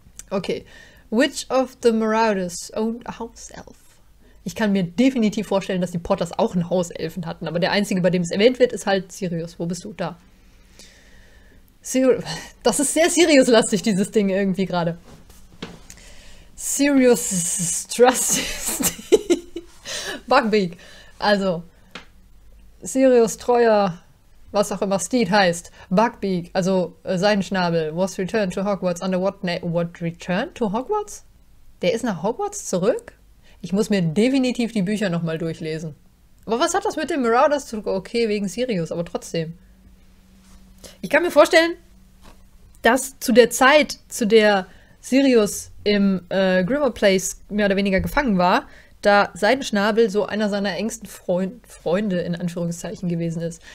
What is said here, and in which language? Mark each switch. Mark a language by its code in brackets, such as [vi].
[en] Okay. Which of the Marauders owned a house elf? [de] Ich kann mir definitiv vorstellen, dass die Potters auch einen Hauselfen hatten, aber der einzige, bei dem es erwähnt wird, ist halt Sirius. Wo bist du? Da. Das ist sehr Sirius-lastig, dieses Ding irgendwie gerade. Sirius Trusty. Bugbeak. Also, Sirius treuer, was auch immer Steed heißt. [en] Bugbeak, [de] also Seidenschnabel, [en] was returned to Hogwarts under what name? What returned to Hogwarts? [de] Der ist nach Hogwarts zurück? Ich muss mir definitiv die Bücher nochmal durchlesen. Aber was hat das mit dem Marauders zu tun? Okay, wegen Sirius, aber trotzdem. Ich kann mir vorstellen, dass zu der Zeit, zu der Sirius im Grimmauld Place mehr oder weniger gefangen war, da Seidenschnabel so einer seiner engsten Freunde in Anführungszeichen gewesen ist.